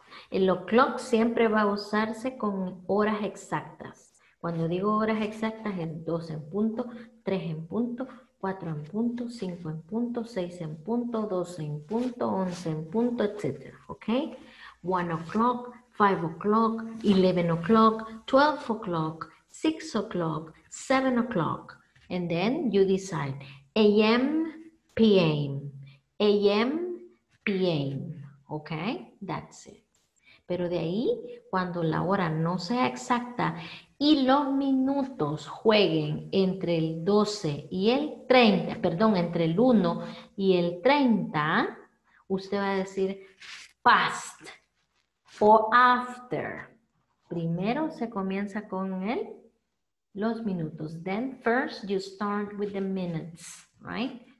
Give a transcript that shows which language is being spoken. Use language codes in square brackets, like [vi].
[es] El o'clock siempre va a usarse con horas exactas. Cuando digo horas exactas, es 2 en punto, 3 en punto, 4 en punto, 5 en punto, 6 en punto, 12 en punto, 11 en punto, etc. [en] Okay, 1 o'clock, 5 o'clock, 11 o'clock, 12 o'clock, 6 o'clock, 7 o'clock, and then you decide. A.M., P.M., A.M., P.M., ok, that's it. [es] Pero de ahí, cuando la hora no sea exacta y los minutos jueguen entre el 12 y el 30, perdón, entre el 1 y el 30, usted va a decir past o after. Primero se comienza con el los minutos. [en] Then first you start with the minutes, right?